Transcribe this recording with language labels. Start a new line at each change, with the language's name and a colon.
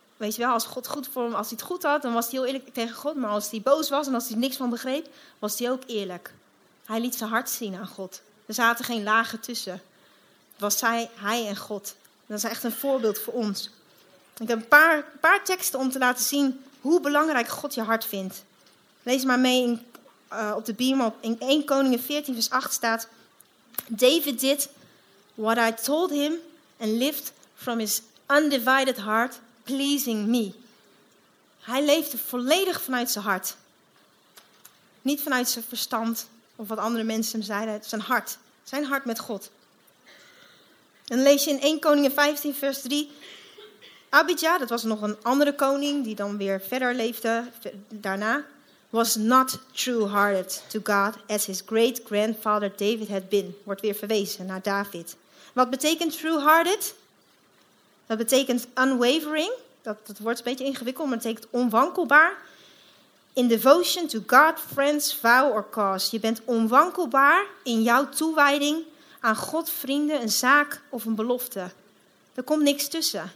Dutch: Weet je wel, als God goed voor hem, als hij het goed had, dan was hij heel eerlijk tegen God. Maar als hij boos was en als hij niks van begreep, was hij ook eerlijk. Hij liet zijn hart zien aan God. Er zaten geen lagen tussen. Het was hij en God. Dat is echt een voorbeeld voor ons. Ik heb een paar teksten om te laten zien hoe belangrijk God je hart vindt. Lees maar mee op de Bijbel. In 1 Koningen 14 vers 8 staat,
English: David did what I told him and lived from his undivided heart, pleasing me.
Dutch: Hij leefde volledig vanuit zijn hart. Niet vanuit zijn verstand of wat andere mensen hem zeiden. Zijn hart. Zijn hart met God. En lees je in 1 Koningen 15 vers 3. Abijah, dat was nog een andere koning die dan weer verder leefde daarna.
English: Was not true hearted to God as his great grandfather David had been.
Dutch: Wordt weer verwezen naar David. Wat betekent true hearted? Dat betekent unwavering. Dat wordt een beetje ingewikkeld, maar betekent onwankelbaar.
English: In devotion to God, friends, vow or cause.
Dutch: Je bent onwankelbaar in jouw toewijding aan God, vrienden, een zaak of een belofte. Er komt niks tussen.